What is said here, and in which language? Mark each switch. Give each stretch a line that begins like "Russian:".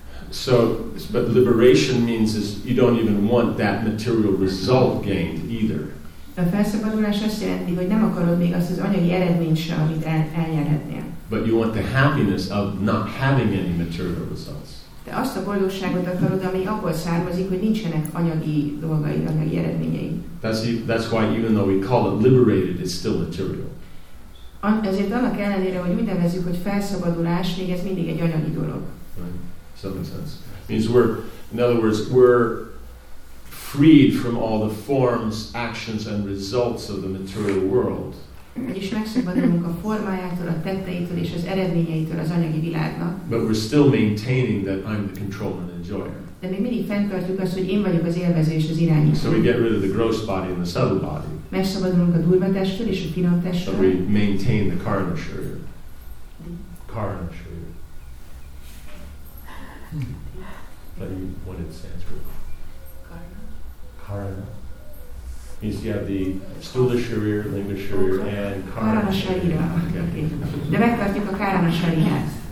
English: So, but liberation means is you don't even want that material result gained either.
Hungarian: A felszabadulás azt jelenti, hogy nem akarod még azt az anyagi eredményt sem, amit elnyerhetnél.
English: But you want the happiness of not having any material results.
Hungarian: De azt a boldogságot akarod, ami abból származik, hogy nincsenek anyagi dolgaid, anyagi eredményeid.
English: That's why even though we call it liberated, it's still material.
Hungarian: Ezért annak ellenére, hogy úgy nevezzük, hogy felszabadulás, még ez mindig egy anyagi dolog.
English: Right. Some sense. Means we're, in other words, we're freed from all the forms, actions and results of the material world.
Hungarian: Vagyis megszabadulunk a formájától, a tetteitől és az eredményeitől az anyagi világnak.
English: But we're still maintaining that I'm the controller and enjoyer.
Hungarian: De még mindig fenntartjuk azt, hogy én vagyok az élvező és az irányító.
English: So we get rid of the gross body and the subtle body.
Hungarian: Megszabadulunk a durva testről és a finom testről.
English: But we maintain the karma sharia. Karma sharia. But you what it stands for? Karma. Means you have the stula sharir, lingua sharir, and karana sharir.
Hungarian: De megtartjuk a karana sharirát.